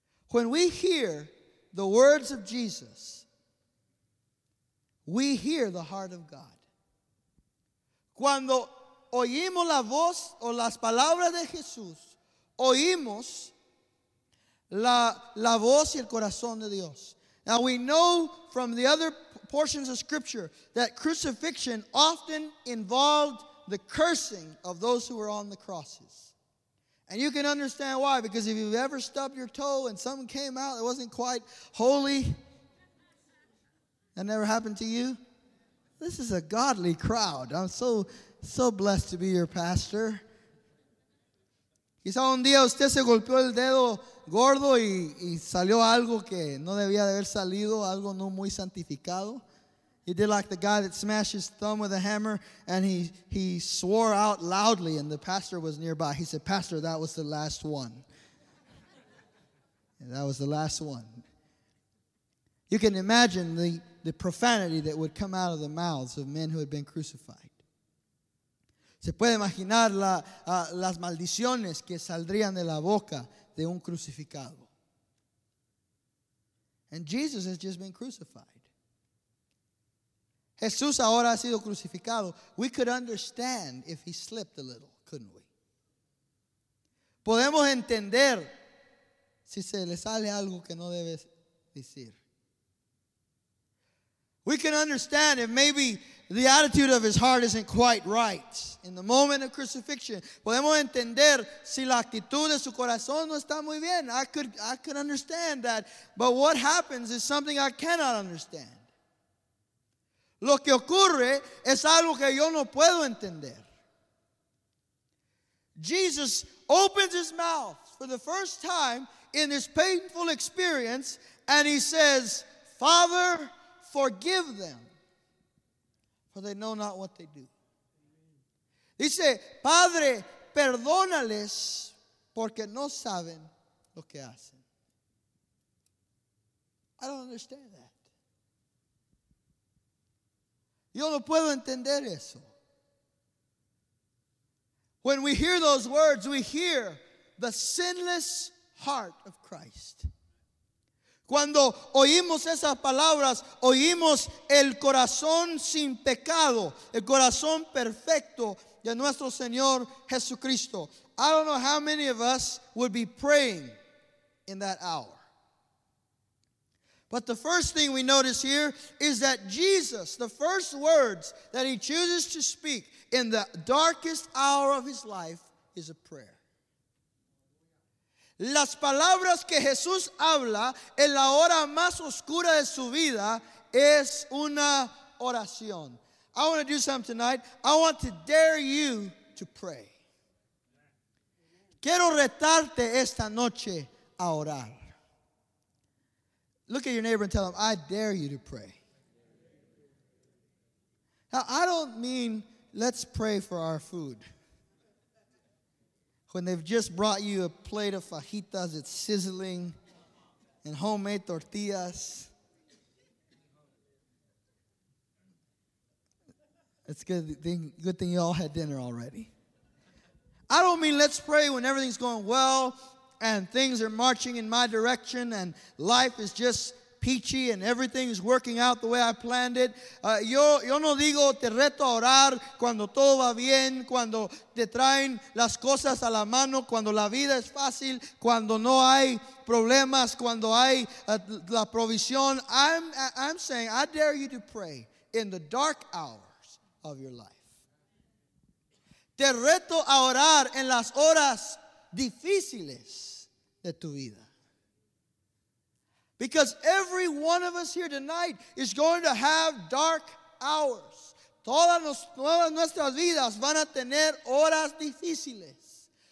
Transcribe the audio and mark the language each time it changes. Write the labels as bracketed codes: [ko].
[en] When we hear the words of Jesus, we hear the heart of God. [es] Cuando oímos la voz o las palabras de Jesús, oímos la voz y el corazón de Dios. [en] Now we know from the other portions of Scripture that crucifixion often involved the cursing of those who were on the crosses. And you can understand why, because if you've ever stubbed your toe and something came out that wasn't quite holy, that never happened to you? This is a godly crowd. I'm so blessed to be your pastor. [es] Quizá un día usted se golpeó el dedo gordo y salió algo que no debía de haber salido, algo no muy santificado. [en] He did like the guy that smashed his thumb with a hammer, and he swore out loudly, and the pastor was nearby. He said, "Pastor, that was the last one." And that was the last one. You can imagine the profanity that would come out of the mouths of men who had been crucified. [es] Se puede imaginar las maldiciones que saldrían de la boca de un crucificado. [en] And Jesus has just been crucified. [es] Jesús ahora ha sido crucificado. [en] We could understand if he slipped a little, couldn't we? [es] Podemos entender si se le sale algo que no debe decir. [en] We can understand if maybe the attitude of his heart isn't quite right in the moment of crucifixion. [es] Podemos entender si la actitud de su corazón no está muy bien. [en] I could understand that. But what happens is something I cannot understand. [es] Lo que ocurre es algo que yo no puedo entender. [en] Jesus opens his mouth for the first time in this painful experience, and he says, "Father, forgive them, for they know not what they do." [es] Dice, "Padre, perdónales, porque no saben lo que hacen." [en] I don't understand that. [es] Yo no puedo entender eso. [en] When we hear those words, we hear the sinless heart of Christ. [es] Cuando oímos esas palabras, oímos el corazón sin pecado, el corazón perfecto de nuestro Señor Jesucristo. [en] I don't know how many of us would be praying in that hour. But the first thing we notice here is that Jesus, the first words that he chooses to speak in the darkest hour of his life is a prayer. [es] Las palabras que Jesús habla en la hora más oscura de su vida es una oración. [en] I want to do something tonight. I want to dare you to pray. [es] Quiero retarte esta noche a orar. [en] Look at your neighbor and tell him, "I dare you to pray." Now, I don't mean let's pray for our food. When they've just brought you a plate of fajitas, it's sizzling, and homemade tortillas. It's good thing you all had dinner already. I don't mean let's pray when everything's going well and things are marching in my direction and life is just peachy and everything is working out the way I planned it. [es] Yo no digo te reto a orar cuando todo va bien, cuando te traen las cosas a la mano, cuando la vida es fácil, cuando no hay problemas, cuando hay la provisión. [en] I'm saying I dare you to pray in the dark hours of your life. [es] Te reto a orar en las horas difíciles de tu vida. [en] Because every one of us here tonight is going to have dark hours. [es] Todas nuestras vidas van a tener horas difíciles.